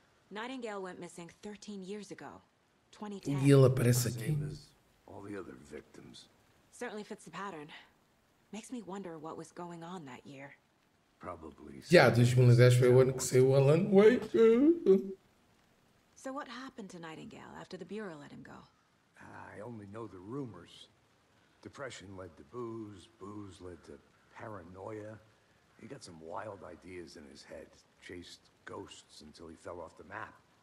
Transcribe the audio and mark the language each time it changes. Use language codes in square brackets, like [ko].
[en] Nightingale went missing 13 years ago, 2010. [pt] E ele aparece aqui. [en] Same as all the other victims. Certainly fits the pattern. Makes me wonder what was going on that year. Probably. [pt] Yeah, 2010 foi o ano que saiu Alan Wake. [en] So what happened to Nightingale after the Bureau let him go? I only know the rumors. Depression led to booze, booze led to paranoia. He got some wild ideas in his head, chased ghosts until he fell off the map.